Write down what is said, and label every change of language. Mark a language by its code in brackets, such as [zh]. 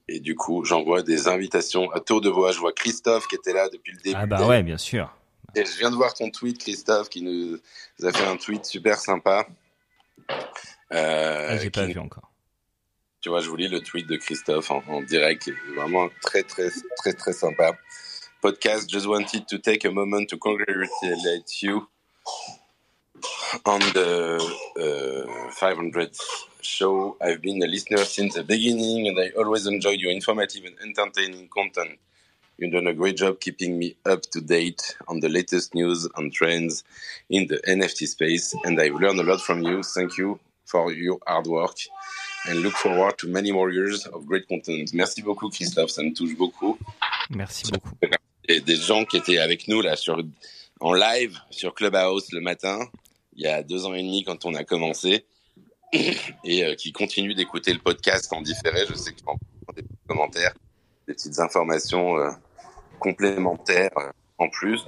[fr] Et du coup, j'envoie des invitations à tour de voix. Je vois Christophe qui était là depuis le début. Ah bah ouais, bien sûr. Et je viens de voir ton tweet, Christophe, qui nous a fait un tweet super sympa. J'ai pas vu encore. Tu vois, je vous lis le tweet de Christophe en direct. Vraiment très, très, très, très sympa. [en] Podcast, just wanted to take a moment to congratulate you on the 500th show. I've been a listener since the beginning and I always enjoyed your informative and entertaining content. You've done a great job keeping me up to date on the latest news and trends in the NFT space and I've learned a lot from you. Thank you for your hard work and look forward to many more years of great content. [fr] Merci beaucoup, Christophe, ça me touche beaucoup. Merci beaucoup. Et des gens qui étaient avec nous là en live sur Clubhouse le matin, il y a 2 ans et demi quand on a commencé, et qui continuent d'écouter le podcast en différé. Je sais qu'ils m'envoient des commentaires, des petites informations complémentaires en plus.